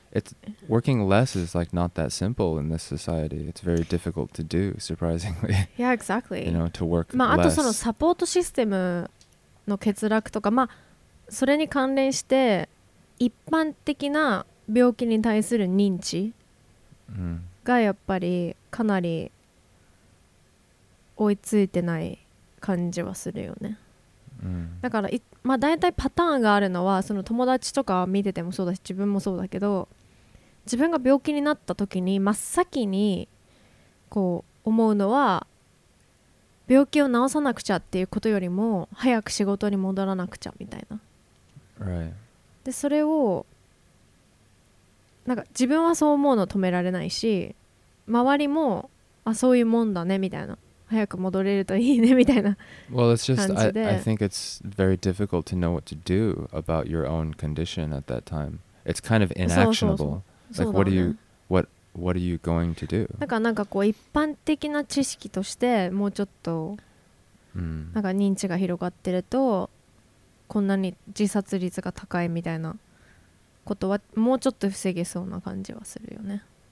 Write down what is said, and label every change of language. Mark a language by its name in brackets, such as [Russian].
[English] It's working less is like not that simple in this society. It's very difficult to do, surprisingly. Yeah, exactly. You know, to work [Japanese] less. まああとそのサポートシステムの欠落とか、まあそれに関連して一般的な病気に対する認知。がやっぱりかなり追いついてない感じはするよね。だからまあ大体パターンがあるのはその友達とか見ててもそうだし自分もそうだけど、自分が病気になった時に真っ先にこう思うのは病気を治さなくちゃっていうことよりも早く仕事に戻らなくちゃみたいな。 [English] Right. [Japanese] で、それをなんか自分はそう思うの止められないし、周りもあそういうもんだねみたいな、早く戻れるといいねみたいな [English] Well, it's just, I think it's very difficult to know what to do about your own condition at that time. It's kind of inactionable. [Japanese] そうそうそう。そうだね。 [English] what are you going to do? [Japanese] なんか、なんかこう一般的な知識としてもうちょっと、なんか認知が広がってるとこんなに自殺率が高いみたいなことはもうちょっと防げそうな感じはするよね。